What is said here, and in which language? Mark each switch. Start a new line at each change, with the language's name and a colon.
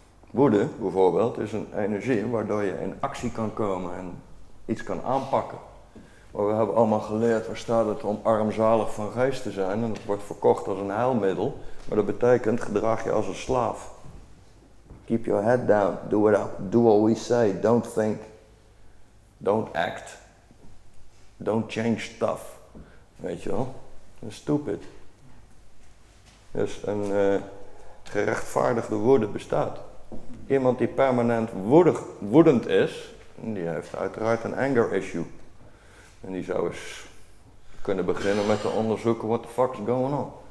Dutch: Woede bijvoorbeeld is een energie waardoor je in actie kan komen en iets kan aanpakken. Maar we hebben allemaal geleerd, waar staat het om armzalig van geest te zijn en het wordt verkocht als een heilmiddel. Maar dat betekent gedraag je als een slaaf.
English: Keep your head down, do it up, do what we say, don't think, don't act, don't change stuff.
Dutch: Weet je wel,
English: that's stupid.
Dutch: Dus een... gerechtvaardigde woede bestaat. Iemand die permanent woedend is, die heeft uiteraard een anger issue. En die zou eens kunnen beginnen met te onderzoeken
English: what the fuck is going on.